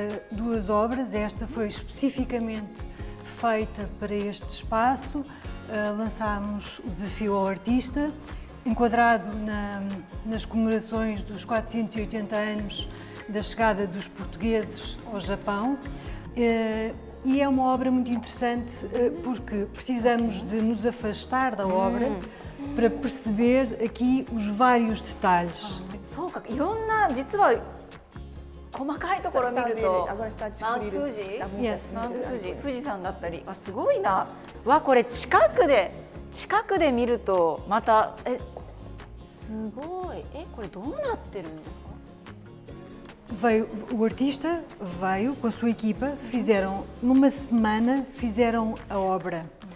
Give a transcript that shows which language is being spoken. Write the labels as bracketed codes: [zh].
[pt] Duas obras, esta foi especificamente feita para este espaço, lançámos o desafio ao artista,enquadrado nas comemorações dos 480 anos da chegada dos portugueses ao Japão. E é uma obra muito interessante porque precisamos de nos afastar da obra para perceber aqui os vários detalhes. [ja] そうか、いろんな、実は細かいところを見ると、マウント富士、 [en] Yes. [ja] マウント富士、富士山だったり、あ、すごいな。わ、これ近くで見るとまた、すごい。これどうなってるんですか？ [pt] Veio, o artista veio com a sua equipa, fizeram, numa semana, fizeram a obra.